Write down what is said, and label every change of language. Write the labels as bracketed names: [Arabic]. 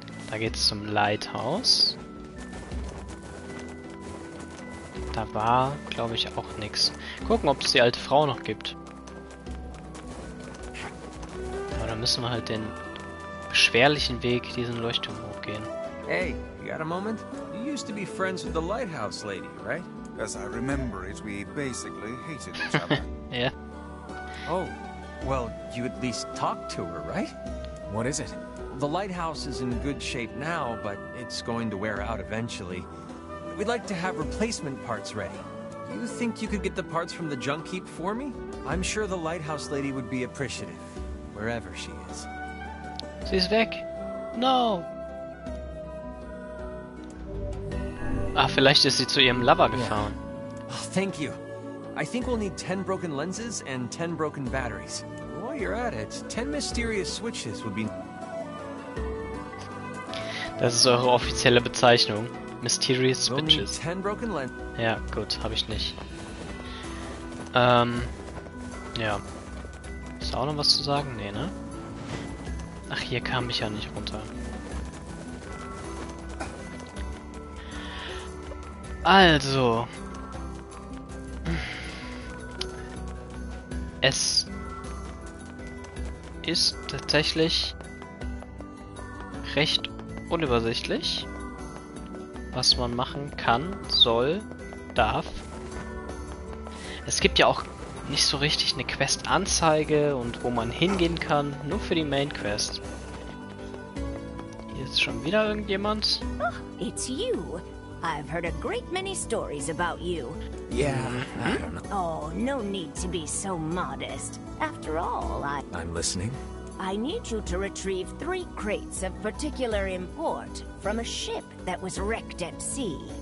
[German] Da geht's zum Lighthouse. Da war, glaube ich, auch nichts. Gucken, ob es die alte Frau noch gibt. Aber dann müssen wir halt den beschwerlichen Weg diesen Leuchtturm hochgehen. [English] Hey, you got a moment? You used to be friends with the lighthouse lady, right? As I remember it, we basically hated each other. Yeah. Oh, well, you at least talked to her, right? What is it? The lighthouse is in good shape now, but it's going to wear out eventually. We'd like to have replacement parts ready. Do you think you could get the parts from the junk heap for me? I'm sure the lighthouse lady would be appreciative, wherever she is. She's [German] weg. [English] No! [German] Ah, vielleicht ist sie zu ihrem Lover gefahren. [English] Yeah. Oh, thank you. I think we'll need 10 broken lenses and 10 broken batteries. While you're at it, 10 mysterious switches would be... [German] Das ist eure offizielle Bezeichnung. [English] Mysterious switches. We'll need 10 broken lenses. [German] Ja, gut, habe ich nicht. Ja. Ist auch noch was zu sagen? Nee, ne? Ach, hier kam ich ja nicht runter. Also, es ist tatsächlich recht unübersichtlich, was man machen kann, soll, darf. Es gibt ja auch nicht so richtig eine Questanzeige und wo man hingehen kann, nur für die Main Quest. Hier ist schon wieder irgendjemand. [English] Oh, it's you. I've heard a great many stories about you. Yeah, I don't know. Oh, no need to be so modest. After all, I'm listening. I need you to retrieve 3 crates of particular import from a ship that was wrecked at sea.